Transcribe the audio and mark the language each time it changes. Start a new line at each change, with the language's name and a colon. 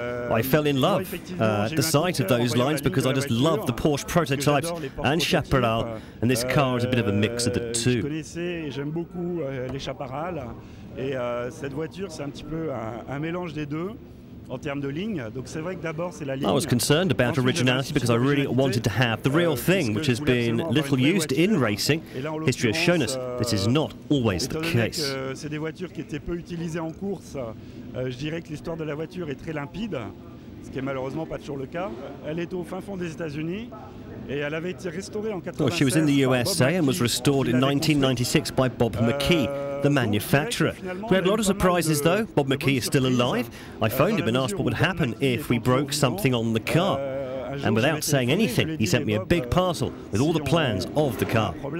English: I fell in love at the sight of those lines because I just love the Porsche prototypes and Chaparral, and this car is a bit of a mix of the two.
French: Et cette voiture, c'est un petit peu un mélange des deux en termes de ligne. Donc c'est vrai que d'abord c'est la ligne.
English: I was concerned about originality because I really wanted to have the real thing, which has been little used in racing. History has shown us this is not always the case.
French: C'est des voitures qui étaient peu utilisées en course. Je dirais que l'histoire de la voiture est très limpide, ce qui est malheureusement pas toujours le cas. Elle est au fin fond des États-Unis.
English: Well, she was in the USA and was restored in 1996 by Bob McKee, the manufacturer. We had a lot of surprises, though. Bob McKee is still alive. I phoned him and asked what would happen if we broke something on the car. And without saying anything, he sent me a big parcel with all the plans of the car.